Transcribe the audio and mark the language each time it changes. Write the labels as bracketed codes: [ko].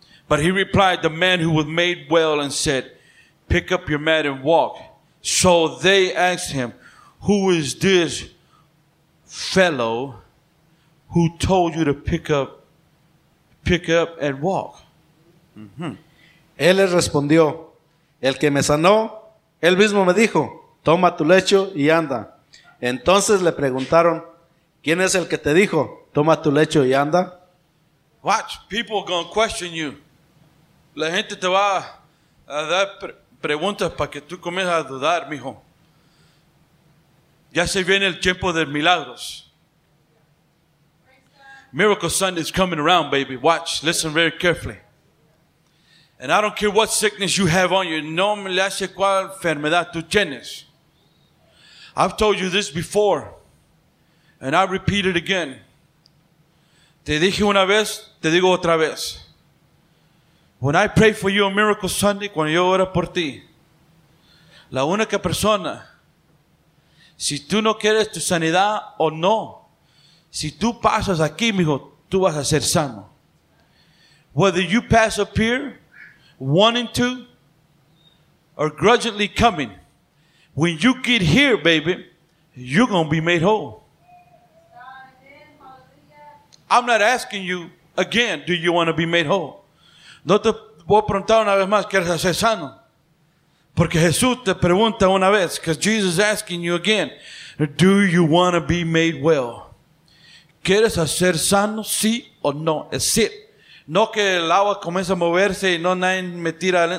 [en] But he replied, the man who was made well, and said, pick up your mat and walk. So they asked him, who is this fellow who told you to pick up and walk? Mm-hmm. [es] Él les respondió, el que me sanó, él mismo me dijo, toma tu lecho y anda. Entonces le preguntaron, ¿quién es el que te dijo, toma tu lecho y anda? [en] Watch, people are going to question you. [es] La gente te va a dar preguntas para que tú comiences a dudar, mijo. Ya se viene el tiempo de milagros. [en] Miracle Sunday is coming around, baby. Watch, listen very carefully. And I don't care what sickness you have on you. [es] No me le hace cuál enfermedad tú tienes. [en] I've told you this before. And I repeat it again. [es] Te dije una vez, te digo otra vez. [en] When I pray for you on Miracle Sunday, [es] cuando yo oro por ti, la única persona, si tú no quieres tu sanidad o no, si tú pasas aquí, mijo, tú vas a ser sano. [en] Whether you pass up here, wanting to, or grudgingly coming, when you get here, baby, you're going to be made whole. I'm not asking you again, do you want to be made whole? [es] No te voy a preguntar una vez más, ¿quieres ser sano? Porque Jesús te pregunta una vez, [en] because Jesus is asking you again, do you want to be made well? [es] ¿Quieres ser sano? Sí o no. Es it. No que el agua comience a moverse y no nadie me tira.